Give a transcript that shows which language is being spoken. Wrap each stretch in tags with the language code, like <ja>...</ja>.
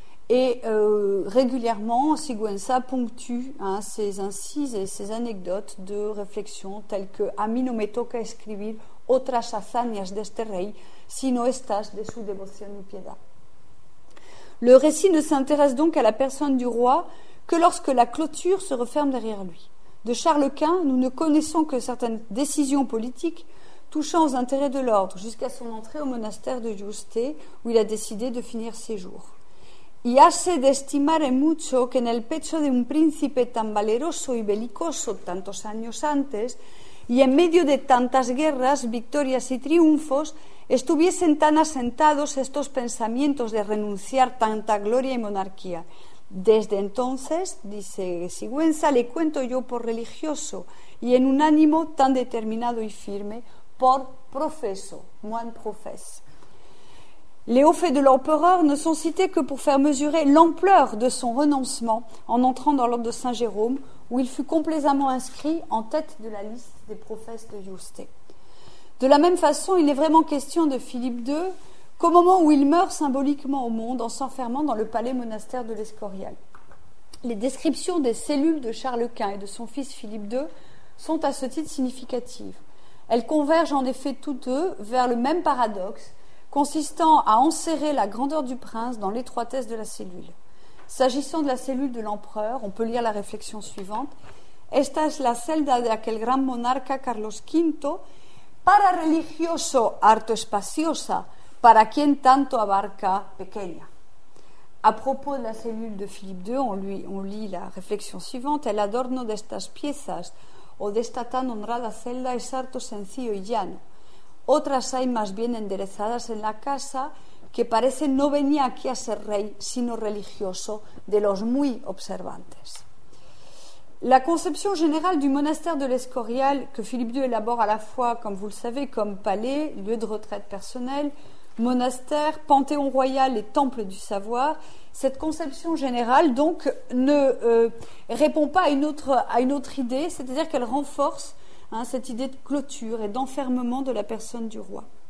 <fr>Et régulièrement, Sigüenza ponctue ses incises et ses anecdotes de réflexions telles que «</fr> <es>A mí no me toca escribir otras hazañas de este rey, sino estas de su devoción y piedad.</es> <fr>» Le récit ne s'intéresse donc à la personne du roi que lorsque la clôture se referme derrière lui. De Charles Quint, nous ne connaissons que certaines décisions politiques touchant aux intérêts de l'ordre jusqu'à son entrée au monastère de Yuste où il a décidé de finir ses jours.</fr> <es>Y hace de estimare mucho que en el pecho de un príncipe tan valeroso y belicoso tantos años antes y en medio de tantas guerras, victorias y triunfos estuviesen tan asentados estos pensamientos de renunciar tanta gloria y monarquía. Desde entonces, dice Sigüenza, le cuento yo por religioso y en un ánimo tan determinado y firme por profeso,</es> <fr>moine profes. Les hauts faits de l'empereur ne sont cités que pour faire mesurer l'ampleur de son renoncement en entrant dans l'ordre de Saint-Jérôme, où il fut complaisamment inscrit en tête de la liste des professes de Yuste. De la même façon, il est vraiment question de Philippe II qu'au moment où il meurt symboliquement au monde en s'enfermant dans le palais monastère de l'Escorial. Les descriptions des cellules de Charles Quint et de son fils Philippe II sont à ce titre significatives. Elles convergent en effet toutes deux vers le même paradoxe consistant à enserrer la grandeur du prince dans l'étroitesse de la cellule. S'agissant de la cellule de l'empereur, on peut lire la réflexion suivante.</fr> <es>« Esta es la celda de aquel gran monarca Carlos V, para religioso harto espaciosa, para quien tanto abarca pequeña. »</es> <fr>À propos de la cellule de Philippe II, on lit la réflexion suivante.</fr> <es>« El adorno de estas piezas o de esta tan honrada celda es harto sencillo y llano. Otras hay más bien enderezadas en la casa que parece no venía aquí a ser rey, sino religioso de los muy observantes. »</es> <fr>La conception générale du monastère de l'Escorial, que Philippe II élabore à la fois, comme vous le savez, comme palais, lieu de retraite personnelle, monastère, panthéon royal et temple du savoir, cette conception générale donc ne répond pas à une autre idée, c'est-à-dire qu'elle renforce cette idée de clôture et d'enfermement de la personne du roi.</fr>